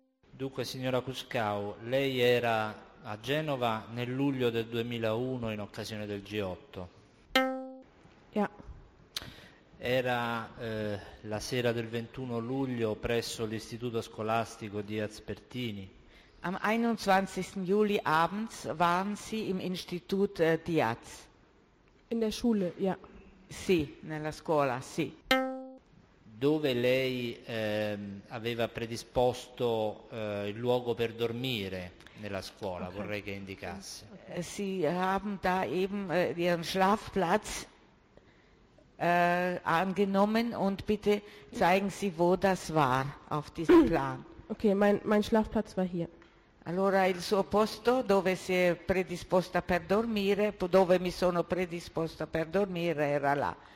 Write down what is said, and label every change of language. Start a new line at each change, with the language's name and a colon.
Italian: Dunque, signora Kutschbau, lei era a Genova nel luglio del 2001 in occasione del G8.
German: Ja.
Italian: Era la sera del 21 luglio presso l'istituto scolastico Diaz Pertini.
German: Am 21. Juli abends waren Sie im Institut Diaz. In der Schule, ja.
Italian: Sì, nella scuola, sì. Dove lei aveva predisposto il luogo per dormire nella scuola, okay. Vorrei che indicasse. Okay.
German: Sie haben da eben Ihren Schlafplatz angenommen und bitte zeigen Sie, wo das war auf diesem Plan. Okay, mein Schlafplatz war hier.
Italian: Allora il suo posto dove si è predisposta per dormire, dove mi sono predisposta per dormire era là.